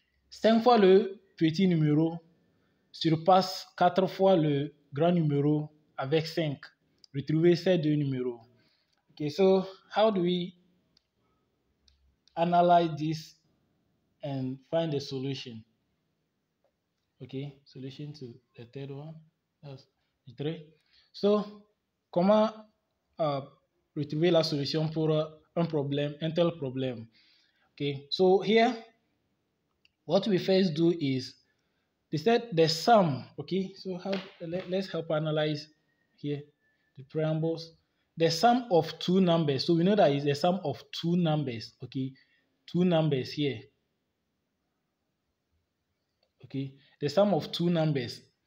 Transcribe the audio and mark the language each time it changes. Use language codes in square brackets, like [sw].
[fr] Cinq fois le petit numéro surpasse quatre fois le grand numéro avec cinq. Retrouvez ces deux numéros. [en] Okay, so how do we analyze this and find the solution? Okay, solution to the third one. That's three. [fr] So, comment retrouver la solution pour un problème, un tel problème? [en] Okay, so here, what we first do is they said the sum, okay, so let's help analyze here the preambles. The sum of two numbers, so we know that is the sum of two numbers, okay, two numbers here, okay, the sum of two numbers.